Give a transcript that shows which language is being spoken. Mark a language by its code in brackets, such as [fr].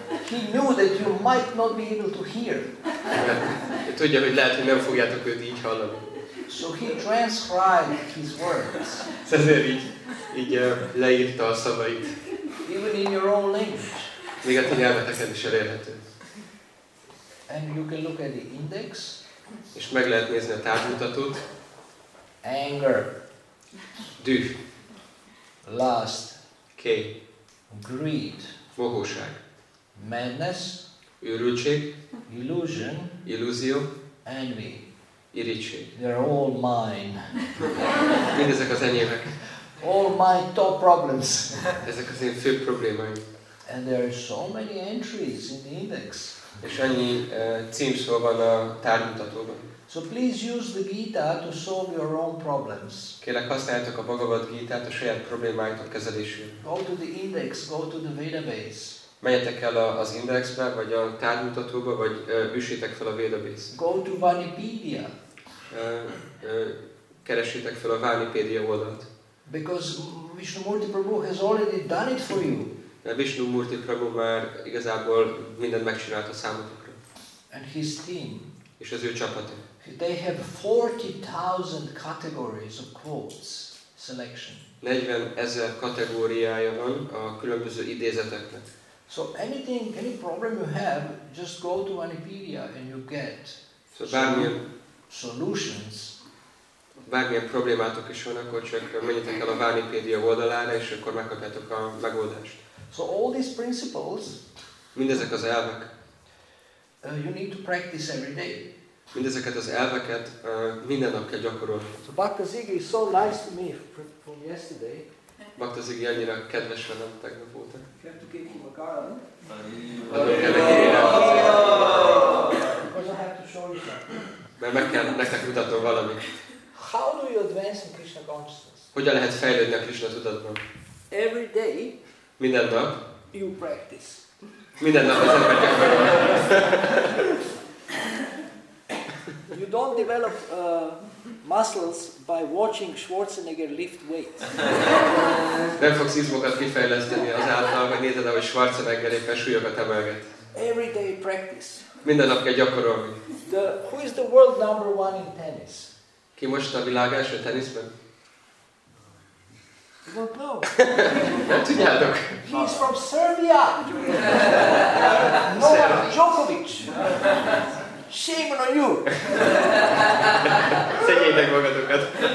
[en] He knew that you might not be able to hear. [hu] Tudja, hogy lehet, hogy nem fogjátok őt így hallani. [en] So he transcribed his words. [hu] Ezért így leírta a szavait. [en] Even in your own language. [hu] Még a ti nyelveteken is elérhető. [en] And you can look at the index. [hu] És meg lehet nézni a távmutatót. [en] Anger. [hu] Düh. [en] Lust. [hu] Ké. [en] Greed. [hu] Mohóság. [en] Madness. [hu] Őrültség. [en] Illusion. [hu] Illúzió. [en] Envy. [hu] Irítség. [en] They're all mine. [hu] Mindezek az enyémek. [en] All my top problems. [hu] Ezek az én fő problémáim. [en] And there are so many entries in the index. [hu] És annyi címszó van a tárgymutatóban. [en] So please use the Gita to solve your own problems. [hu] Kérlek, használjátok a Bhagavad Gita-t a saját problémáitok kezelésére. [en] Go to the index, go to the Vedabase. [hu] Menjetek el az indexbe, vagy a tárgymutatóba, vagy üssétek fel a Vedabase. [en] Go to Vanipedia. [hu] Keressétek fel a Vanipedia oldalt. [en] Because Vishnumurti Prabhu has already done it for you. [hu] De Vishnumurti Prabhu már igazából mindent megcsinált a számotokra. [en] And his team. [hu] És az ő csapata. [en] They have 40,000 categories of quotes selection. [hu] 40,000 kategóriája van a különböző idézeteknek. [en] So anything, any problem you have, just go to Wikipedia and you get [hu] so bármilyen, [en] solutions. [hu] Bármilyen problémátok is van, akkor csak menjetek el a Wikipedia oldalára, és akkor megkapjátok a megoldást. [en] So all these principles, [hu] mindezek az elvek, [en] you need to practice every day. [hu] Mindezeket az elveket minden nap kell gyakorolni. [en] So Bhakta Zigi is so nice to me from yesterday. [hu] Bhakta Zigi annyira kedves velem tegnap óta. [en] You have to give him a garland. Because I have to show you something. [hu] Mert meg kell nektek mutatnom valamit. [en] How do you advance in Krishna consciousness? [hu] Hogyan lehet fejlődni a Krishna tudatban? [en] Every day. [hu] Minden nap. [en] You practice. [hu] Minden nap az ember gyakorolni. [en] You don't develop muscles by watching Schwarzenegger lift weights. [hu] Nem fogsz izmokat kifejleszteni azáltal, hogy nézed, ahogy Schwarzenegger éppen súlyokat emelget. [en] Every day practice. [hu] Minden nap kell gyakorolni. [en] Who is the world number one in tennis? [hu] Ki most a világ első teniszben? Nem tudjátok. [en] He is from Serbia. Novak Djokovic. Shame on you! [hu] Szegyétek magatokat!